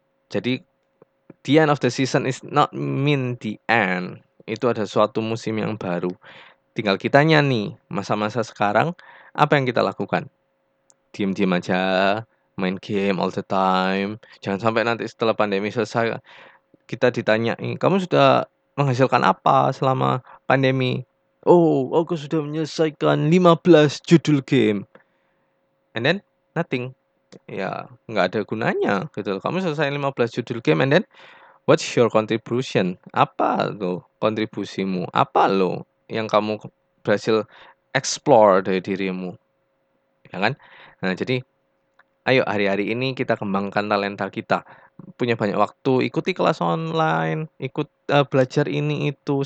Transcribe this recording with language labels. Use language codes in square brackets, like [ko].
[id] Jadi, [en] the end of the season is not mean the end. [id] Itu ada suatu musim yang baru. Tinggal kitanya nih, masa-masa sekarang, apa yang kita lakukan? Diam-diam aja, main game [en] all the time. [id] Jangan sampai nanti setelah pandemi selesai, kita ditanya, kamu sudah menghasilkan apa selama pandemi? Oh, aku sudah menyelesaikan 15 judul game. [en] And then, nothing. [id] Ya, nggak ada gunanya. Gitu. Kamu selesai 15 judul game, [en] and then, what's your contribution? [id] Apa loh kontribusimu? Apa loh yang kamu berhasil explore dari dirimu, ya kan? Nah, jadi ayo hari-hari ini kita kembangkan talenta kita. Punya banyak waktu, ikuti kelas online, ikut belajar ini itu.